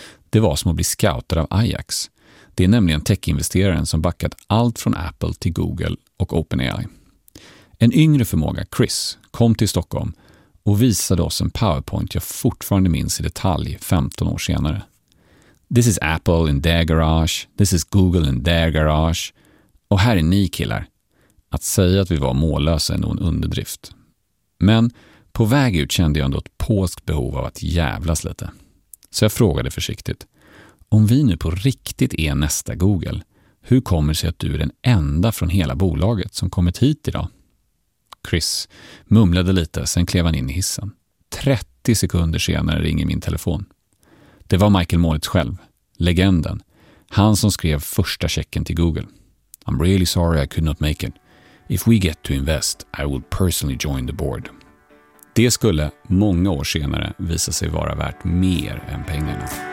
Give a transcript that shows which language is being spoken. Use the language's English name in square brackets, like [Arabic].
[Swedish] Det var som att bli scoutad av Ajax. Det är nämligen techinvesteraren som backat allt från Apple till Google och OpenAI. En yngre förmåga, Chris, kom till Stockholm och visade oss en PowerPoint jag fortfarande minns i detalj 15 år senare. [English] This is Apple in their garage, this is Google in their garage. [Swedish] Och här är ni killar. Att säga att vi var mållösa är nog en underdrift. Men på väg ut kände jag ändå ett påskt behov av att jävlas lite. Så jag frågade försiktigt. Om vi nu på riktigt är nästa Google, hur kommer det sig att du är den enda från hela bolaget som kommit hit idag? Chris mumlade lite, sen klev han in i hissen. 30 sekunder senare ringer min telefon. Det var Michael Moritz själv, legenden. Han som skrev första checken till Google. [English] I'm really sorry I could not make it. If we get to invest, I will personally join the board. [Swedish] Det skulle många år senare visa sig vara värt mer än pengarna.